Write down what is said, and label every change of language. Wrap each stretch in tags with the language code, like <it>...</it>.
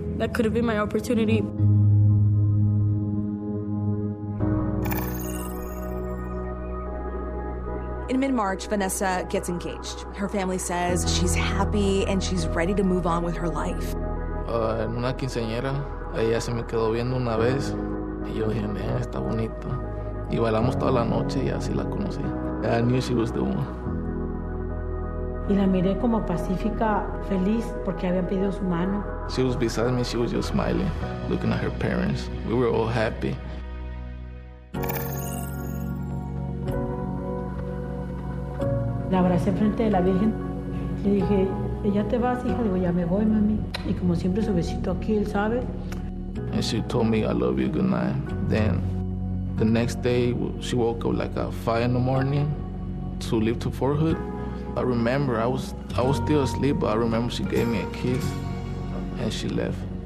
<en>That could have been my opportunity. In mid-March, Vanessa gets engaged. Her family says she's happy and she's ready to move on with her life.</en> <es>Una quinceañera. Ella se me quedó viendo una vez y yo dije, mira, está bonita. Y bailamos toda la noche y así la conocí.</es> <en>I knew she was the one.</en> <es>Y la miré como pacífica, feliz, porque habían pedido su mano.</es> <en>She was beside me, she was just smiling, looking at her parents. We were all happy.</en> <es>La abracé frente de la Virgen. Le dije, ¿ya te vas, hija? Digo, ya me voy, mami. Y como siempre, su besito aquí, él sabe.</es> <en>And she told me, I love you, good night. Then the next day, she woke up like at 5 a.m. to leave to Fort Hood. I remember I was still asleep, but I remember she gave me a kiss and she left.</en>